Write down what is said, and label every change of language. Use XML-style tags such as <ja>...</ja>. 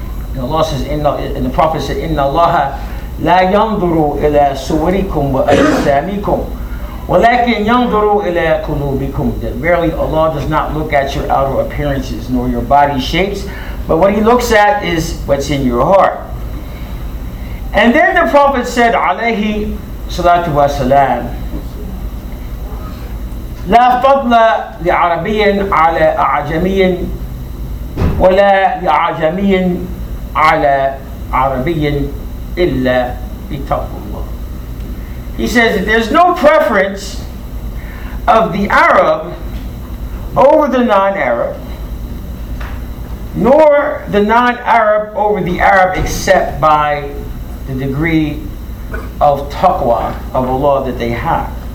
<en>And Allah says, and the Prophet said,</en> <ar>Inna Allah لا يَنْظُرُوا إِلَى سُوَرِكُمْ وَأَجْسَامِكُمْ وَلَكِنْ يَنْظُرُوا إِلَى قُلُوبِكُمْ.</ar> <en>That verily Allah does not look at your outer appearances nor your body shapes, but what he looks at is what's in your heart. And then the Prophet said,</en> <ar>عَلَيْهِ صَلَاتُ وَسَلَامُ لَا فَضْلَ لِعَرَبِيٍ عَلَى أَعْجَمِيٍ وَلَا لِعَجَمِيٍ عَلَى عَرَبِيٍ إِلَّا بِتَقْوَى اللَّهِ.</ar> <en>He says that there's no preference of the Arab over the non-Arab, nor the non-Arab over the Arab except by the degree of taqwa of Allah that they have.</en>